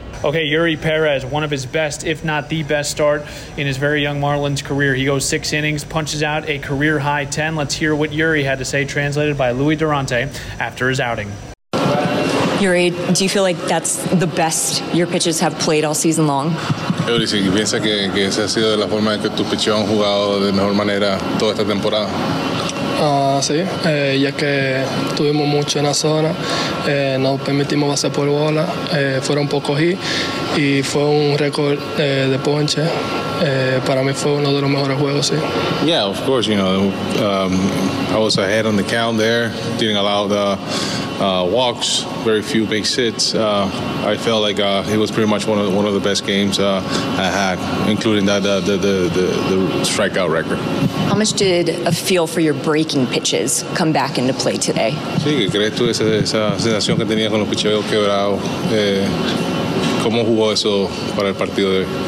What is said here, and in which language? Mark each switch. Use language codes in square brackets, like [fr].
[en] Okay, Yuri Perez, one of his best, if not the best start in his very young Marlins career. He goes six innings, punches out a career-high 10. Let's hear what Yuri had to say, translated by Louis Durante, after his outing. Yuri, do you feel like that's the best your pitches have played all season long? [es] Yuri, si piensa que esa ha sido la forma en que tu pitcheo ha jugado de mejor manera toda esta temporada. Sí, ya que tuvimos mucho en la zona, no permitimos base por bola, fueron pocos hits y fue un récord de ponches Para mí fue uno de los mejores juegos, sí. [en] Yeah, of course, you know, I was ahead on the count there, didn't allow the walks, very few base hits. I felt like it was pretty much one of the best games I had, including that the strikeout record. How much did a feel for your breaking pitches come back into play today? [es] Sí, crees tú esa sensación que tenía con los picheos quebrados. ¿Cómo jugó eso para el partido de hoy?